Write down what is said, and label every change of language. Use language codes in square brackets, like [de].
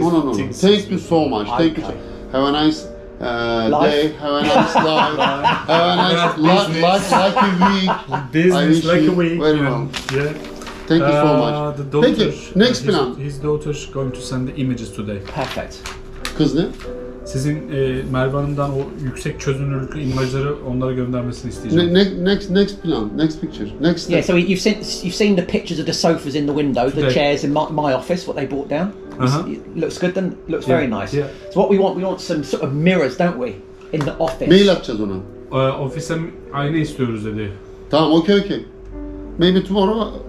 [en] No. Thank you so much. Thank you. Have a nice day. Have a nice life. Have a nice like a week. Business like a week. Very well. Yeah. Thank you so much. The daughter, thank you. Next plan. His daughter's going to send the images today. Perfect. [tr] Kız ne? Sizin Merve Hanım'dan o yüksek çözünürlüklü imajları onlara göndermesini isteyeceğim. [en] Next plan, next picture, next step. Yeah, so you've seen the pictures of the sofas in the window, the chairs in my office, what they brought down. Uh-huh. Looks good then, looks very nice. Yeah. So what we want some sort of mirrors, don't we, in the office. [tr] Mail atacağız ona. Ofise ayna istiyoruz dedi. Tamam, [en] okay. Maybe tomorrow